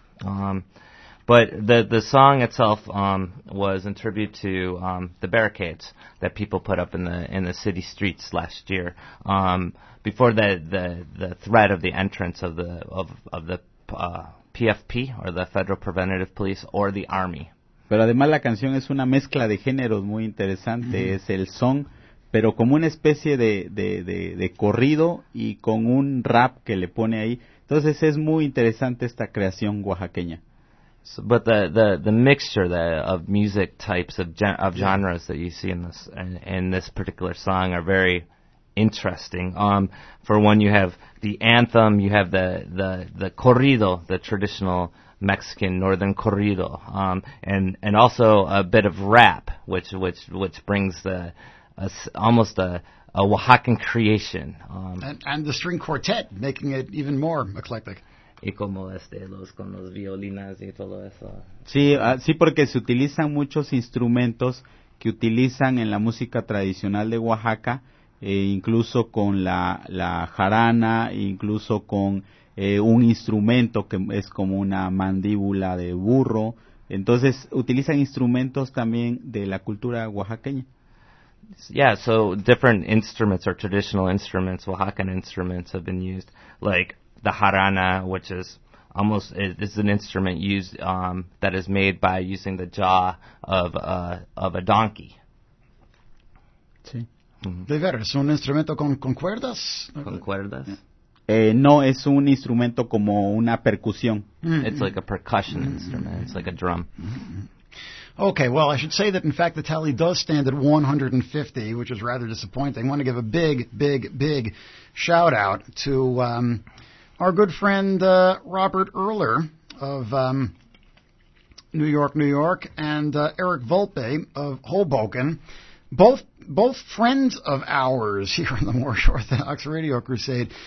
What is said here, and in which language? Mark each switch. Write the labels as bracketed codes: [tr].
[en] But the song itself was in tribute to the barricades that people put up in the city streets last year. Before the threat of the entrance of the PFP or the Federal Preventive Police or the Army. [es] Pero además la canción es una mezcla de géneros muy interesante. Mm-hmm. Es el son, pero como una especie de corrido y con un rap que le pone ahí. Entonces es muy interesante esta creación oaxaqueña. [en] So, but the mixture of music types of genres that you see in this particular song are very interesting. For one, you have the anthem, you have the corrido, the traditional Mexican northern corrido, and also a bit of rap, which brings almost a Oaxacan creation. And the string quartet, making it even more eclectic. [es] Y como con los violinas y todo eso. Sí, porque se utilizan muchos instrumentos que utilizan en la música tradicional de Oaxaca, incluso con la jarana, incluso con un instrumento que es como una mandíbula de burro. Entonces, utilizan instrumentos también de la cultura oaxaqueña. [en] Yeah, so different instruments or traditional instruments, Oaxacan instruments, have been used, like the jarana, which is almost is an instrument used that is made by using the jaw of a donkey. [es] Sí. Mm-hmm. ¿De veras? ¿Es un instrumento con cuerdas? ¿Con cuerdas? [en] Yeah. [es] No, es un instrumento como una percusión. Mm-hmm. [en] It's like a percussion mm-hmm. instrument. It's like a drum. Mm-hmm. Okay, well, I should say that, in fact, the tally does stand at 150, which is rather disappointing. I want to give a big, big, big shout-out to our good friend Robert Erler of New York, New York, and Eric Volpe of Hoboken, both friends of ours here on the More Orthodox Radio Crusade.